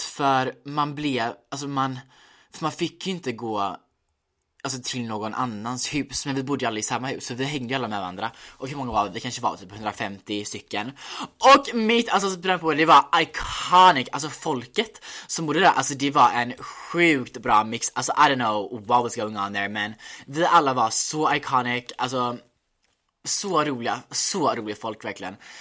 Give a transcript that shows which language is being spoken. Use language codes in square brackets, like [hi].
[sv] För man blev, alltså man fick ju inte gå, alltså till någon annans hus. Men vi bodde ju alla i samma hus, så vi hängde alla med varandra. Och hur många var det? Det kanske var typ 150 stycken. Och mitt, alltså bröd på, det var iconic. Alltså folket som bodde där, alltså det var en sjukt bra mix. [en] Alltså I don't know what was going on there, [sv] men vi alla var så [en] iconic. [sv] Alltså Så roliga folk verkligen.